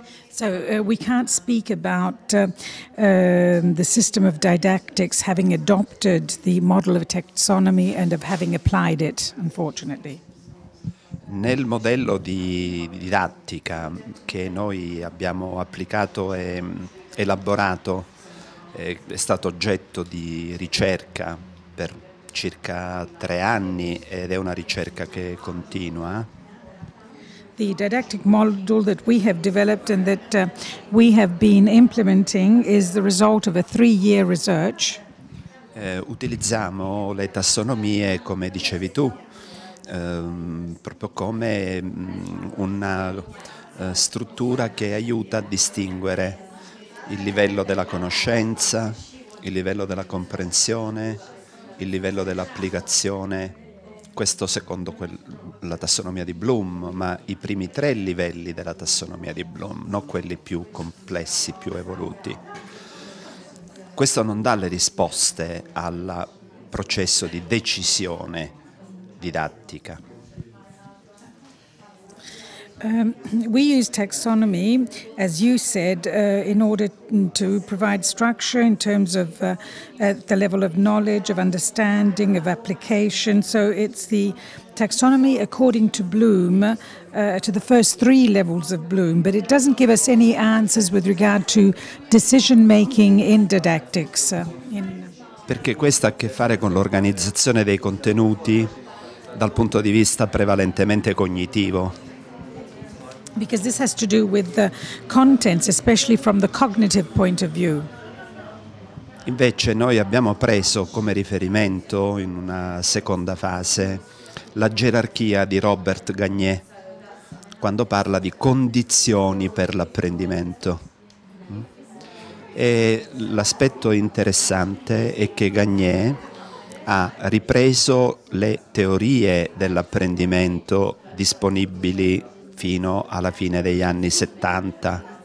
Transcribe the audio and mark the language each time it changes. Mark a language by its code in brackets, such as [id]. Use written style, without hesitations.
[en] So we can't speak about the system of didactics having adopted the model of taxonomy and of having applied it, unfortunately. [it] Nel modello di didattica che noi abbiamo applicato e elaborato, è stato oggetto di ricerca per circa 3 anni ed è una ricerca che continua. [en] The didactic model that we have developed and that we have been implementing is the result of a 3-year research. [it] utilizziamo le tassonomie, come dicevi tu, proprio come una struttura che aiuta a distinguere il livello della conoscenza, il livello della comprensione, il livello dell'applicazione. Questo secondo la tassonomia di Bloom, ma i primi tre livelli della tassonomia di Bloom, non quelli più complessi, più evoluti. Questo non dà le risposte al processo di decisione didattica. [en] We use taxonomy, as you said, in order to provide structure in terms of the level of knowledge, of understanding, of application. So it's the taxonomy according to Bloom, to the first three levels of Bloom, but it doesn't give us any answers with regard to decision making in didactics. [it] Perché questo ha a che fare con l'organizzazione dei contenuti dal punto di vista prevalentemente cognitivo. [en] Because this has to do with the contents, especially from the cognitive point of view. [it] Invece noi abbiamo preso come riferimento in una seconda fase la gerarchia di Robert Gagné quando parla di condizioni per l'apprendimento. E l'aspetto interessante è che Gagné ha ripreso le teorie dell'apprendimento disponibili fino alla fine degli anni 70.